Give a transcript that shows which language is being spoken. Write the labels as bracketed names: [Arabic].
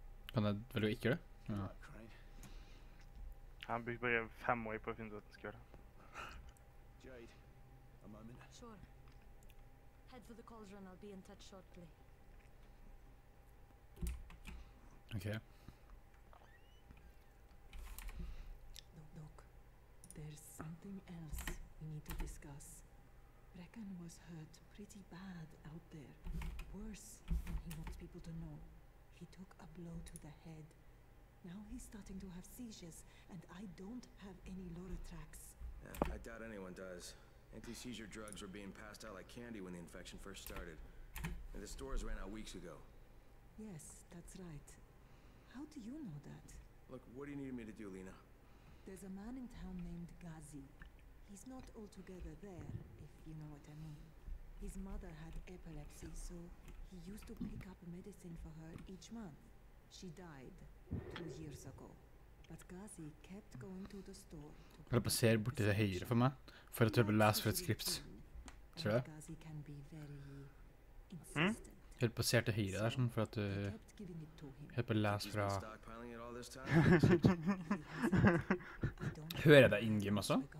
[Norwegian] Kan jeg velge å ikke gjøre det? Han bygde bare 5 år på å finne ut at han skal gjøre det. [English] Jade, a moment. Sure. Head for the cauldron, I'll be in touch shortly. Ok. There's something else we need to discuss. Brecken was hurt pretty bad out there. Worse than he wants people to know. He took a blow to the head. Now he's starting to have seizures, and I don't have any Lorotrax. Yeah, I doubt anyone does. Anti-seizure drugs were being passed out like candy when the infection first started. And the stores ran out weeks ago. Yes, that's right. How do you know that? Look, what do you need me to do, Lena? There's a man in town named Ghazi. He's not altogether there, if you know what I mean. His mother had epilepsy, so he used to pick up medicine for her each month. She died 2 years ago. But Ghazi kept going to the store to... [Norwegian] Kan du bare se borti til høyre for meg? For at du bare leser for et skript. Tror du det? Ghazi kan bli veldig insistent. Helt på å se til høyre der, sånn, for at du... Helt på å lese fra... Hører jeg deg in-game, altså?